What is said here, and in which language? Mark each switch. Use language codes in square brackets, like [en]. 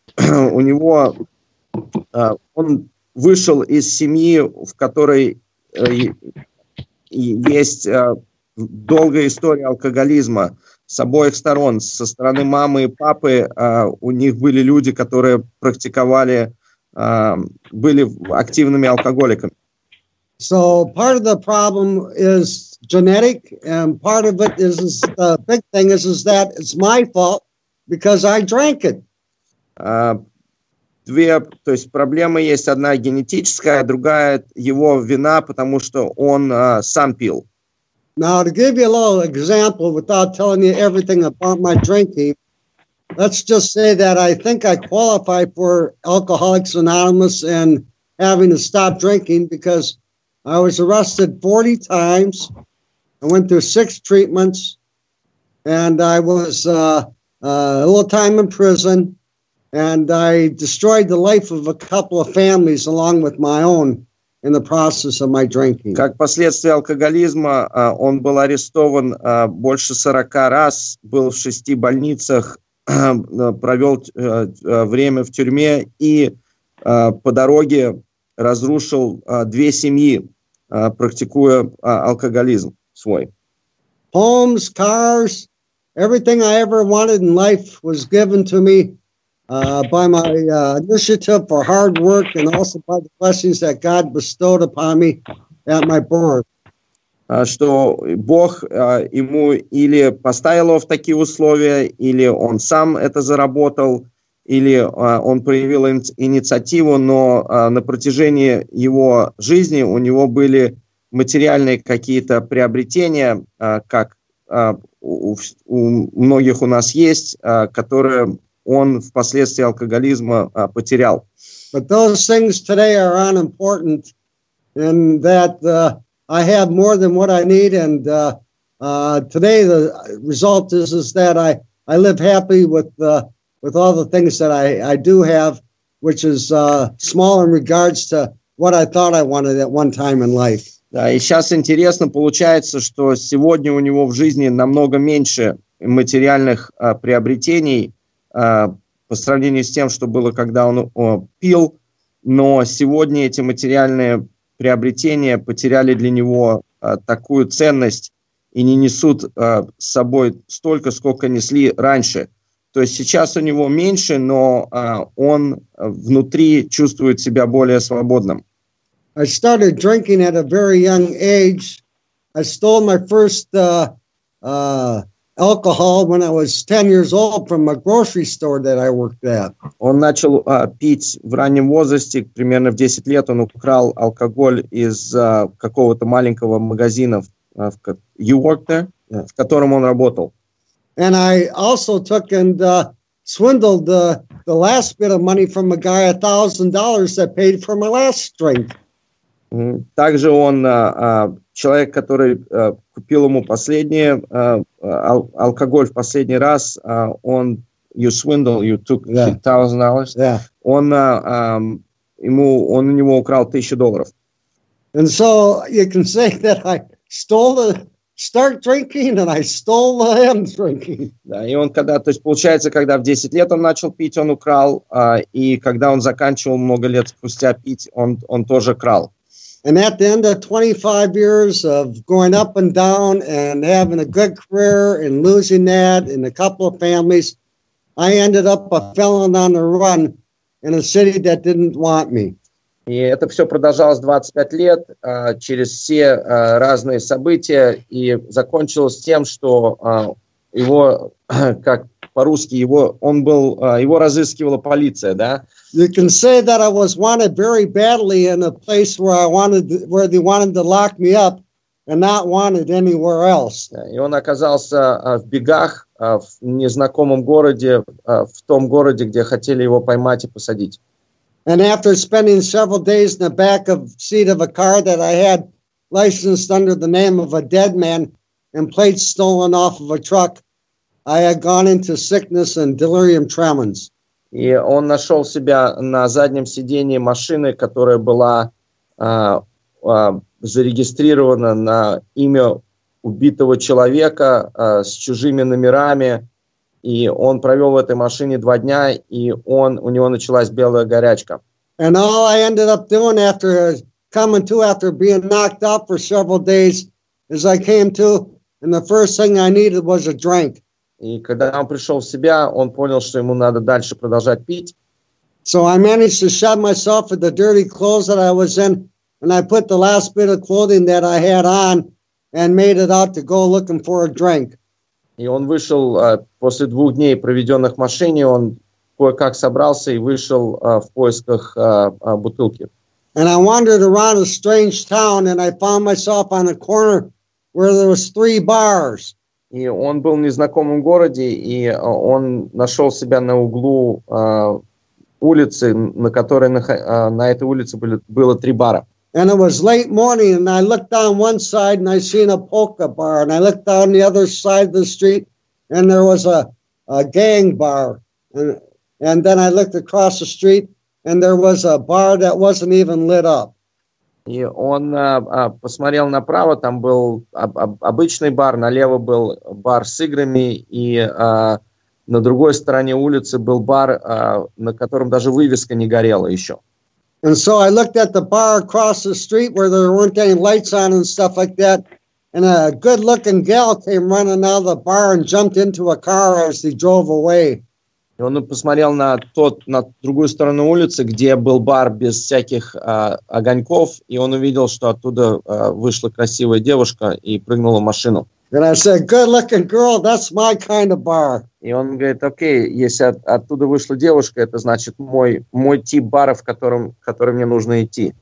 [ru] Он вышел из семьи, в которой есть долгая история алкоголизма с обоих сторон. Со стороны мамы и папы у них были люди, которые практиковали, были активными алкоголиками. [en] So part of the problem is genetic, and part of it is the big thing is that it's my fault because I drank it. [ru] То есть проблема есть одна генетическая, другая его вина, потому что он сам пил. [en] Now to give you a little example without telling you everything about my drinking, let's just say that I think I qualify for Alcoholics Anonymous and having to stop drinking because I was arrested 40 times. I went through 6 treatments, and I was a little time in prison, and I destroyed the life of a couple of families along with my own in the process of my drinking. [ru] Как последствия алкоголизма, он был арестован больше 40 раз, был в 6 больницах, провел время в тюрьме и по дороге разрушил 2 семьи. Практикуя алкоголизм свой. [en] Homes, cars, everything I ever wanted in life was given to me by my initiative for hard work and also by the blessings that God bestowed upon me at my birth. [ru] Что Бог ему или поставил его в такие условия, или он сам это заработал, или он проявил инициативу, но на протяжении его жизни у него были материальные какие-то приобретения, как у многих у нас есть, которые он впоследствии алкоголизма потерял. [en] But those things today are unimportant in that I have more than what I need, and today the result is that I live happy with all the things that I do have, which is small in regards to what I thought I wanted at one time in life. [ru] Да, и сейчас интересно получается, что сегодня у него в жизни намного меньше материальных приобретений по сравнению с тем, что было, когда он пил, но сегодня эти материальные приобретения потеряли для него такую ценность и не несут с собой столько, сколько несли раньше. То есть сейчас у него меньше, но он внутри чувствует себя более свободным. [en] I started drinking at a very young age. I stole my first alcohol when I was 10 years old from a grocery store that I worked at. [ru] Он начал пить в раннем возрасте, примерно в 10 лет он украл алкоголь из какого-то маленького магазина, [en] you worked there? Yeah. [ru] В котором он работал. [en] And I also took and swindled the last bit of money from a guy, $1,000 that paid for my last drink. [ru] Также он человек, который купил ему последний алкоголь в последний раз. Он [en] you took $1,000. Yeah. [ru] Он у него украл $1,000. [en] And so you can say that I stole the. Start drinking, and I stole the end drinking. [ru] Да, и он когда, то есть получается, когда в 10 лет он начал пить, он украл, и когда он заканчивал много лет спустя пить, он тоже крал. [en] And at the end of 25 years of going up and down and having a good career and losing that and a couple of families, I ended up a felon on the run in a city that didn't want me. [ru] И это все продолжалось 25 лет через все разные события и закончилось тем, что его, как по-русски, его, он был, его разыскивала полиция, да? [en] You can say that I was wanted very badly in a place where I wanted, where they wanted to lock me up and not wanted anywhere else. [ru] И он оказался в бегах в незнакомом городе, в том городе, где хотели его поймать и посадить. [en] And after spending several days in the back of seat of a car that I had licensed under the name of a dead man and plates stolen off of a truck, I had gone into sickness and delirium tremens. [ru] И он нашел себя на заднем сиденье машины, которая была зарегистрирована на имя убитого человека с чужими номерами. И он провел в этой машине два дня, и он, у него началась белая горячка. [en] And all I ended up doing after coming to, after being knocked up for several days, is I came to, and the first thing I needed was a drink. [ru] И когда он пришел в себя, он понял, что ему надо дальше продолжать пить. [en] So I managed to shed myself with the dirty clothes that I was in, and I put the last bit of clothing that I had on, and made it out to go looking for a drink. [ru] И он вышел после двух дней, проведенных в машине, он кое-как собрался и вышел в поисках бутылки. [en] And I wandered around a strange town, and I found myself on a corner where there was three bars. [ru] И он был в незнакомом городе, и он нашел себя на углу улицы, на которой на этой улице было три бара. [en] And it was late morning, and I looked down one side, and I seen a polka bar, and I looked down the other side of the street, and there was a gang bar, and then I looked across the street, and there was a bar that wasn't even lit up. [ru] И он посмотрел направо, там был обычный бар, налево был бар с играми, и на другой стороне улицы был бар, на котором даже вывеска не горела еще. [en] And so I looked at the bar across the street where there weren't any lights on and stuff like that. And a good-looking gal came running out of the bar and jumped into a car as they drove away. [ru] И он посмотрел на тот, на другую сторону улицы, где был бар без всяких огоньков, и он увидел, что оттуда вышла красивая девушка и прыгнула в машину. [en] And I said, good-looking girl, that's my kind of bar. [ru] И он говорит, окей, если оттуда вышла девушка, это значит мой тип бара, в котором мне нужно идти.